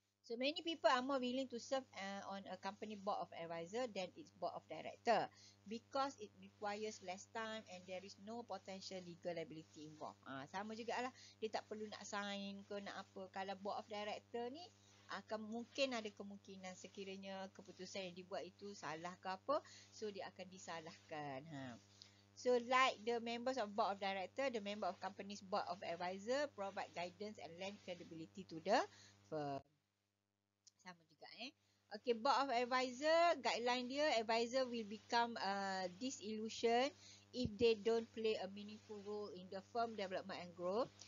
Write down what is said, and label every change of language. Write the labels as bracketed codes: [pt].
[en] So many people are more willing to serve on a company board of advisor than its board of director because it requires less time and there is no potential legal liability involved. [ms] Sama jugalah, dia tak perlu nak sign ke nak apa. Kalau board of director ni akan mungkin ada kemungkinan sekiranya keputusan yang dibuat itu salah ke apa, so dia akan disalahkan. [en] So, like the members of board of director, the member of company's board of advisor provide guidance and lend credibility to the firm. [ms] Sama juga eh. [en] Okay, board of advisor, guideline dia, advisor will become disillusioned if they don't play a meaningful role in the firm development and growth.